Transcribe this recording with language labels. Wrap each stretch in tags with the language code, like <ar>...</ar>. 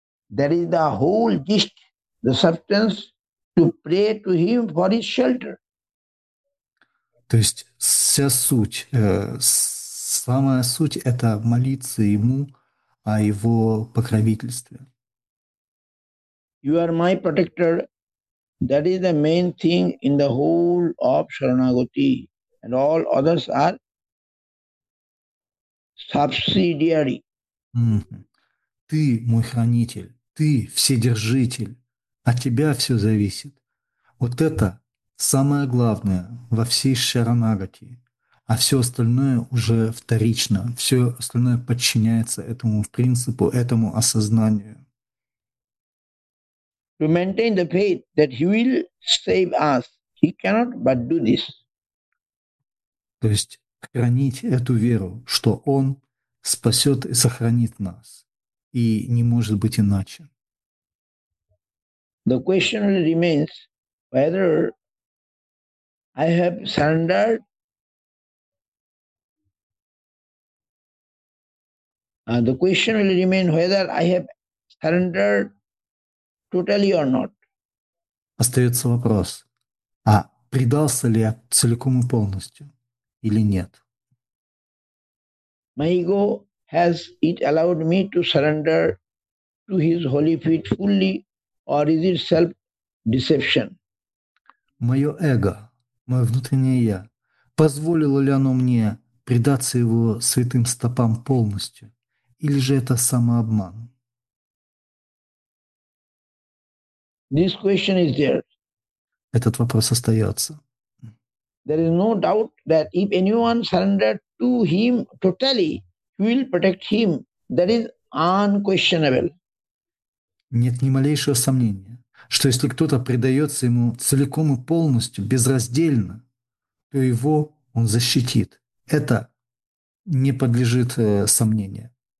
<en>That is the whole gist, the substance to pray to him for his shelter.</en> <ru>То есть вся суть, самая суть — это молиться ему о его покровительстве.</ru> <en>You are my protector. That is the main thing in the whole of Sharanagati. And all others are subsidiary.</en> <ru>Ты мой хранитель, ты вседержитель, от тебя все зависит. Вот это самое главное во всей Шаранагати, а все остальное уже вторично, все остальное подчиняется этому принципу, этому осознанию.</ru> <en>To maintain the faith that he will save us, he cannot but do this.</en> <ru>То есть хранить эту веру, что он спасет и сохранит нас. И не может быть иначе.</ru> <en>The question remains whether I have surrendered the question will remain whether I have surrendered totally or not.</en> <ru>Остается вопрос, а предался ли я целиком и полностью или нет?</ru> <en>My ego, has it allowed me to surrender to his holy feet fully, or is it self-deception?</en> <ru>Мое эго, мое внутреннее я, позволило ли оно мне предаться его святым стопам полностью, или же это самообман?</ru> <en>This question is there.</en> <ru>Этот вопрос остается.</ru> <en>There is no doubt that if anyone surrendered to him totally, he will protect him. That is unquestionable.</en> <ru>Нет ни малейшего сомнения, что если кто-то предается ему целиком и полностью, безраздельно, то его он защитит. Это не подлежит сомнению.</ru>